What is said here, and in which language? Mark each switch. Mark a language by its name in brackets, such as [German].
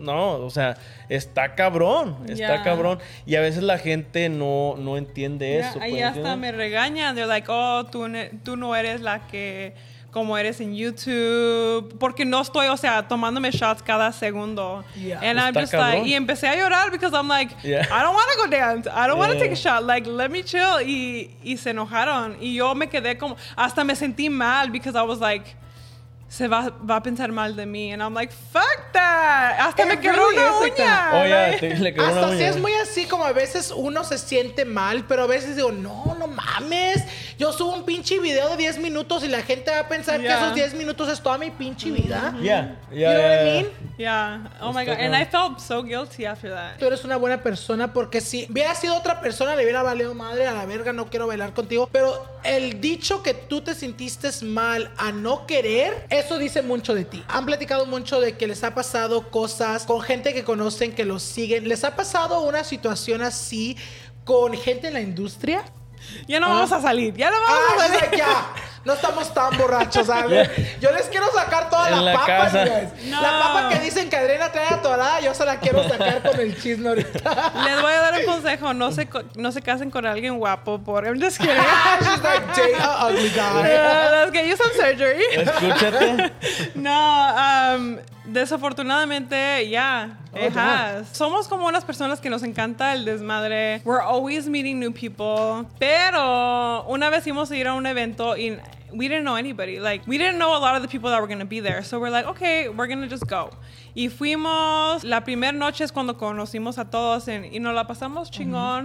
[Spanish] No, o sea, está cabrón. Está cabrón. Y a veces la gente no entiende eso. Ahí hasta me regañan. [English] They're like, [Spanish] oh, tú no eres la que... como eres en YouTube, porque no estoy, o sea, tomándome shots cada segundo. [English] Yeah. And I'm just like, [Spanish] y empecé a llorar [English] because I'm like, yeah, I don't want to go dance. I don't want to take a shot. Like, let me chill. [Spanish] Y se enojaron. Y yo me quedé como, hasta me sentí mal [English] because I was like, [Spanish] se va a pensar mal de mí. [English] And I'm like, fuck that. [Spanish] Hasta me quedó una uña. [English] Oh, yeah, [Spanish] le quedó una uña. Hasta si es muy así, como a veces uno se siente mal, pero a veces digo, no mames. Yo subo un pinche video de 10 minutos y la gente va a pensar que esos 10 minutos es toda mi pinche vida. [English] Yeah. You know what I mean? Yeah. Oh, my God. And I felt so guilty after that. [Spanish] Tú eres una buena persona porque si hubiera sido otra persona, le hubiera valido madre, a la verga, no quiero bailar contigo. Pero el dicho que tú te sintiste mal a no querer, eso dice mucho de ti. Han platicado mucho de que les ha pasado cosas con gente que conocen, que los siguen. ¿Les ha pasado una situación así con gente en la industria? Ya no vamos a salir. Ya no vamos a salir. Ya. No estamos tan borrachos, ¿sabes? Yo les quiero sacar toda la papa, casa. La papa que dicen que Adriana trae atorada, yo se la quiero sacar con el chisme ahorita. Les voy a dar un consejo. No se casen con alguien guapo, porque [English] I'm just kidding. She's like, Jada, ugly guy. Let's get you some surgery. [Spanish] Escúchate. No, desafortunadamente, somos como unas personas que nos encanta el desmadre. [English] We're always meeting new people. [Spanish] Pero una vez íbamos a ir a un evento y [English] we didn't know anybody. Like, we didn't know a lot of the people that were going to be there. So we're like, okay, we're going to just go. [Spanish] Y fuimos. La primera noche es cuando conocimos a todos y nos la pasamos chingón.